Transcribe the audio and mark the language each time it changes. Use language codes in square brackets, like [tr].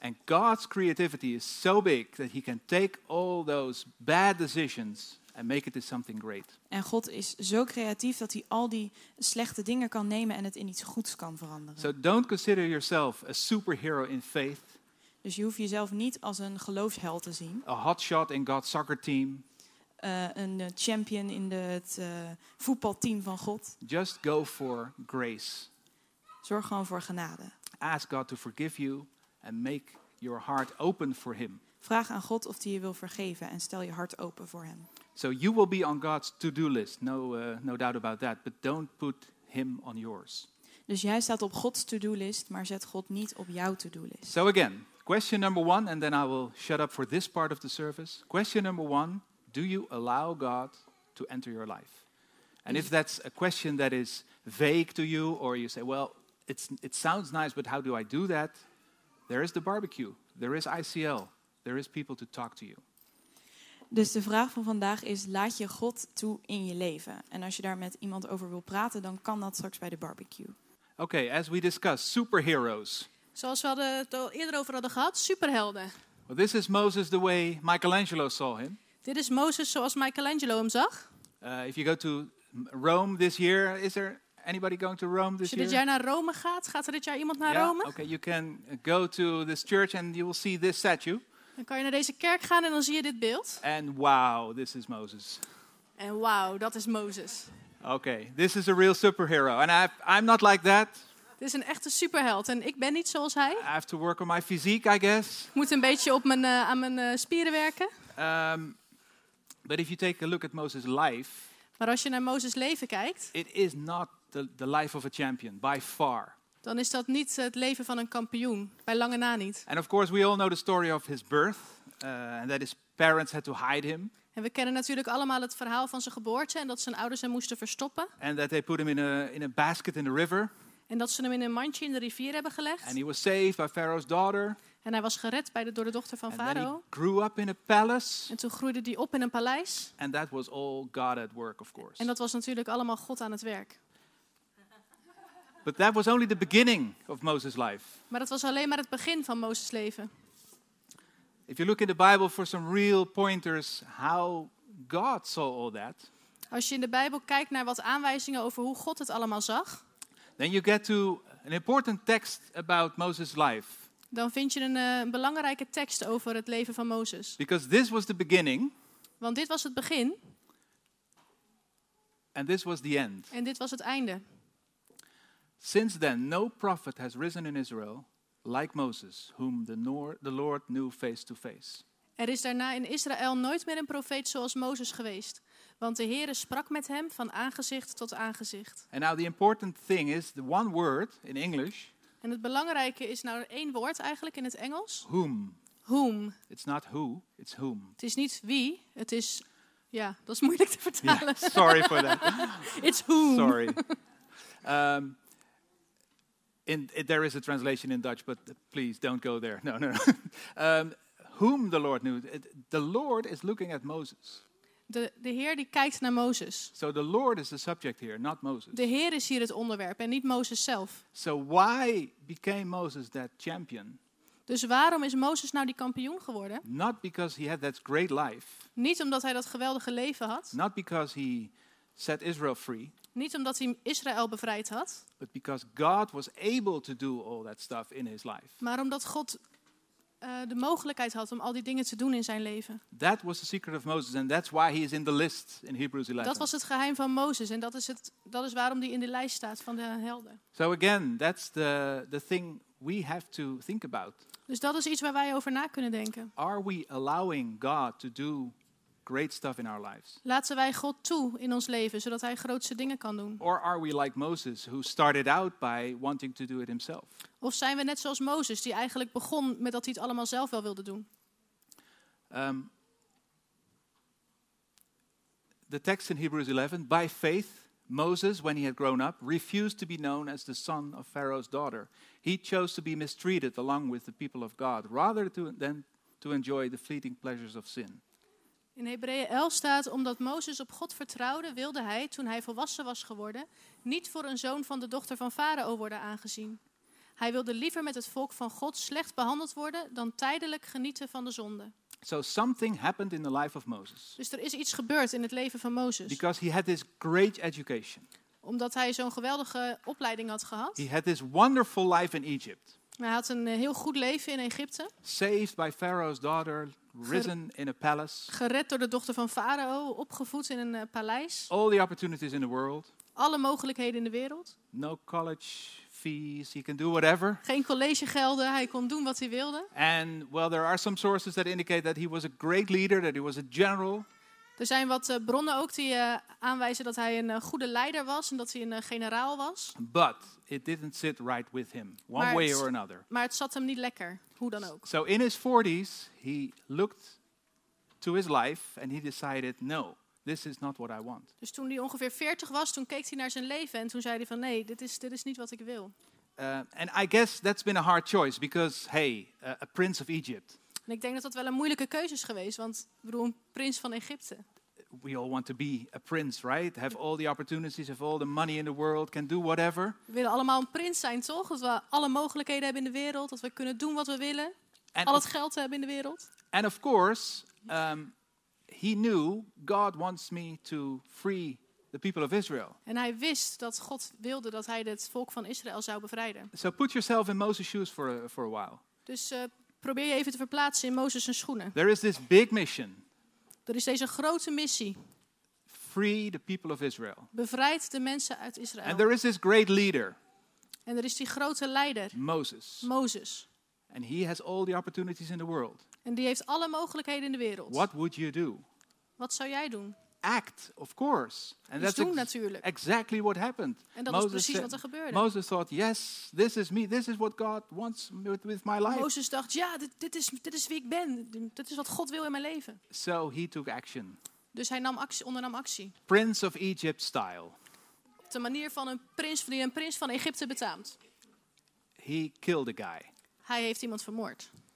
[en] And God's creativity is so big that he can take all those bad decisions and make it into something great. [nl] En God is zo creatief dat hij al die slechte dingen kan nemen en het in iets goeds kan veranderen. [en] So don't consider yourself a superhero in faith. [nl] Dus je hoeft jezelf niet als een geloofsheld te zien. [en] A hotshot in God's soccer team. [nl] Een champion in het voetbalteam van God. [en] Just go for grace. [nl] Zorg gewoon voor genade. [en] Ask God to forgive you and make your heart open for him. [nl] Vraag aan God of hij je wil vergeven en stel je hart open voor hem. [en] So you will be on God's to-do list. No doubt about that. But don't put him on yours. [nl] Dus jij staat op God's to-do list, maar zet God niet op jouw to-do list. [en] So again, question number one, and then I will shut up for this part of the service. Question number one. Do you allow God to enter your life? And if that's a question that is vague to you, or you say, well, it sounds nice, but how do I do that? There is the barbecue. There is ICL. There is people to talk to you. [nl] Dus de vraag van vandaag is, laat je God toe in je leven? En als je daar met iemand over wil praten, dan kan dat straks bij de barbecue. [en] Okay, as we discussed, superheroes. [nl] Zoals we het al eerder over hadden gehad, superhelden. [en] Well, this is Moses the way Michelangelo saw him. [nl] Dit is Mozes zoals Michelangelo hem zag. [en] If you go to Rome this year, is there anybody going to Rome this year? [nl] Als je dit jaar naar Rome gaat, gaat er dit jaar iemand naar Rome? [en] Okay, you can go to this church and you will see this statue. [nl] Dan kan je naar deze kerk gaan en dan zie je dit beeld. [en] And wow, this is Moses. [nl] En wow, dat is Mozes. [en] Okay, this is a real superhero and I'm not like that. [nl] Dit is een echte superheld en ik ben niet zoals hij. [en] I have to work on my physique, I guess. [nl] Moet een beetje op mijn aan mijn spieren werken. [en] But if you take a look at Moses' life, [nl] maar als je naar Moses' leven kijkt, [en] it is not the life of a champion by far. [nl] Dan is dat niet het leven van een kampioen, bij lange na niet. [en] And of course, we all know the story of his birth, and that his parents had to hide him. [nl] En we kennen natuurlijk allemaal het verhaal van zijn geboorte en dat zijn ouders hem moesten verstoppen. [en] And that they put him in a basket in the river. [nl] En dat ze hem in een mandje in de rivier hebben gelegd. [en] And he was saved by Pharaoh's daughter. [nl] En hij was gered door de dochter van Farao. [en] And then he grew up in a palace. [nl] En toen groeide hij op in een paleis. [en] And that was all God at work, of course. [nl] En dat was natuurlijk allemaal God aan het werk. [en] But that was only the beginning of Moses' life. [nl] Maar dat was alleen maar het begin van Mozes' leven. [en] If you look in the Bible for some real pointers how God saw all that. [nl] Als je in de Bijbel kijkt naar wat aanwijzingen over hoe God het allemaal zag. [en] Then you get to an important text about Moses' life. [nl] Dan vind je een belangrijke tekst over het leven van Mozes. [en] Because this was the beginning. [nl] Want dit was het begin. [en] And this was the end. [nl] En dit was het einde. [en] Since then, no prophet has risen in Israel like Moses, whom the Lord knew face to face. [nl] Er is daarna in Israël nooit meer een profeet zoals Mozes geweest. Want de Heere sprak met hem van aangezicht tot aangezicht. [en] And now the important thing is the one word in English. [nl] En het belangrijke is nou één woord eigenlijk in het Engels. [en] Whom. Whom. It's not who, it's whom. [nl] Het is niet wie, het is... Ja, dat is moeilijk te vertalen. [en] Sorry for that. It's whom. Sorry. There is a translation in Dutch, but please don't go there. No. Whom the Lord knew. The Lord is looking at Moses. [nl] De Heer die kijkt naar Mozes. [en] So the Lord is the subject here, not Moses. [nl] De Heer is hier het onderwerp en niet Mozes zelf. [en] So why became Moses that champion? [nl] Dus waarom is Mozes nou die kampioen geworden? [en] Not because he had that great life. [nl] Niet omdat hij dat geweldige leven had. [en] Not because he set Israel free. [nl] Niet omdat hij Israël bevrijd had. [en] But because God was able to do all that stuff in his life. [nl] Maar omdat God de mogelijkheid had om al die dingen te doen in zijn leven. [en] That was the secret of Moses and that's why he is in the list in Hebrews 11. [nl] Dat was het geheim van Mozes en dat is waarom die in de lijst staat van de helden. [en] So again, that's the thing we have to think about. [nl] Dus dat is iets waar wij over na kunnen denken. [en] Are we allowing God to do great stuff in our lives? [nl] Laten wij God toe in ons leven zodat hij grootste dingen kan doen? [en] Or are we like Moses who started out by wanting to do it himself? [nl] Of zijn we net zoals Mozes die eigenlijk begon met dat hij het allemaal zelf wel wilde doen? [en] The text in Hebrews 11, by faith Moses, when he had grown up, refused to be known as the son of Pharaoh's daughter. He chose to be mistreated along with the people of God, rather than to enjoy the fleeting pleasures of sin. [nl] In Hebreeën 11 staat, omdat Mozes op God vertrouwde, wilde hij, toen hij volwassen was geworden, niet voor een zoon van de dochter van Farao worden aangezien. Hij wilde liever met het volk van God slecht behandeld worden, dan tijdelijk genieten van de zonde. [en] So something happened in the life of Moses. [nl] Dus er is iets gebeurd in het leven van Mozes. [en] Because he had this great education. [nl] Omdat hij zo'n geweldige opleiding had gehad. [en] He had this wonderful life in Egypt. [nl] Hij had een heel goed leven in Egypte. [en] Saved by Pharaoh's daughter, risen in a palace. [nl] Gered door de dochter van Farao, opgevoed in een paleis. [en] All the opportunities in the world. [nl] Alle mogelijkheden in de wereld. [en] No college fees, he can do whatever. [nl] Geen collegegelden, hij kon doen wat hij wilde. [en] And well, there are some sources that indicate that he was a great leader, that he was a general. [nl] Er zijn wat bronnen ook die aanwijzen dat hij een goede leider was en dat hij een generaal was. [en] But it didn't sit right with him, one way or another. [nl] Maar het zat hem niet lekker, hoe dan ook. [en] So in his 40s, he looked to his life and he decided, no, this is not what I want. [nl] Dus toen hij ongeveer 40 was, toen keek hij naar zijn leven en toen zei hij van, nee, dit is niet wat ik wil. [en] And I guess that's been a hard choice, because, hey, a prince of Egypt. [nl] En ik denk dat wel een moeilijke keuze is geweest, want ik bedoel, een prins van Egypte. [en] We all want to be a prince, right? Have all the opportunities, have all the money in the world, can do whatever. [nl] We willen allemaal een prins zijn, toch? Dat we alle mogelijkheden hebben in de wereld, dat we kunnen doen wat we willen. And al het geld hebben in de wereld. [en] And of course, he knew God wants me to free the people of Israel. [nl] En hij wist dat God wilde dat hij het volk van Israël zou bevrijden. [en] So put yourself in Moses' shoes for a while. [nl] Dus probeer je even te verplaatsen in Mozes' schoenen. [en] There is this big mission. [nl] Er is deze grote missie. [en] Free the people of Israel. [nl] Bevrijd de mensen uit Israël. [en] And there is this great leader. [nl] En er is die grote leider. [en] Moses. [nl] Moses. [en] And he has all the opportunities in the world. [nl] En die heeft alle mogelijkheden in de wereld. [en] What would you do? [nl] Wat zou jij doen? [en] Act, of course. And that's [nl] doen, natuurlijk. [en] Exactly what happened. [nl] En dat Moses was precies wat er gebeurde. [en] Moses thought, yes, this is me. This is what God wants with my life. [nl] Moses dacht, ja, dit is wie ik ben. Dit is wat God wil in mijn leven. [en] So he took action. [nl] Dus hij ondernam actie. [en] Prince of Egypt style. [nl] De manier van een prins die een prins van Egypte betaamt. [en] He killed a guy. [nl] Hij heeft iemand vermoord.